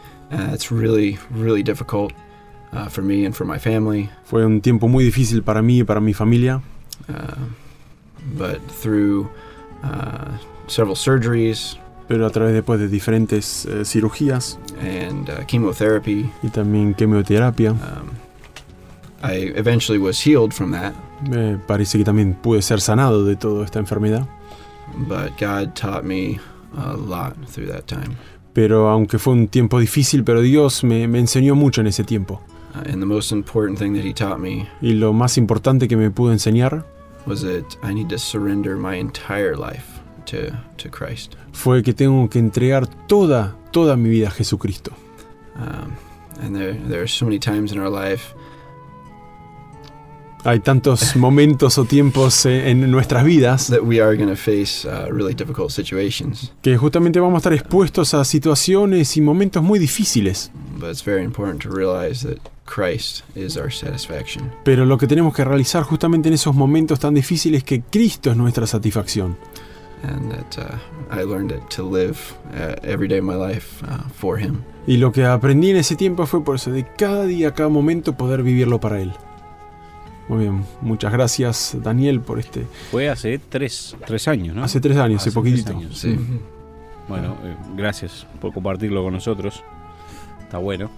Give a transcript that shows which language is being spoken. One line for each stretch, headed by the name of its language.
English: It's really, really difficult for me and for my family.
Spanish: Fue un tiempo muy difícil para mí y para mi familia.
English: But through several surgeries,
Spanish: pero a través después de diferentes cirugías
English: and chemotherapy,
Spanish: y también quimioterapia,
English: I eventually was healed from that.
Spanish: Parece que también pude ser sanado de toda esta enfermedad.
English: But God taught me a lot through that time.
Spanish: Pero aunque fue un tiempo difícil, pero Dios me enseñó mucho en ese tiempo.
English: And the most important thing that He taught me,
Spanish: y lo más importante que me pudo enseñar,
English: was that I need to surrender my entire life to Christ.
Spanish: Fue que tengo que entregar toda mi vida a Jesucristo.
English: And there are so many times in our life.
Spanish: Hay tantos momentos o tiempos en nuestras vidas
English: that we are going to face really difficult situations.
Spanish: Que justamente vamos a estar expuestos a situaciones y momentos muy difíciles.
English: But it's very important to realize that Christ is our satisfaction.
Spanish: Pero lo que tenemos que realizar justamente en esos momentos tan difíciles es que Cristo es nuestra satisfacción.
English: And that I learned it to live every day of my life for Him.
Spanish: Y lo que aprendí en ese tiempo fue por eso, de cada día, cada momento poder vivirlo para Él. Muy bien, muchas gracias Daniel por este. Fue hace tres años, ¿no? Hace tres años, hace poquitito. Tres años, sí. Mm-hmm. Bueno, gracias por compartirlo con nosotros. Está bueno.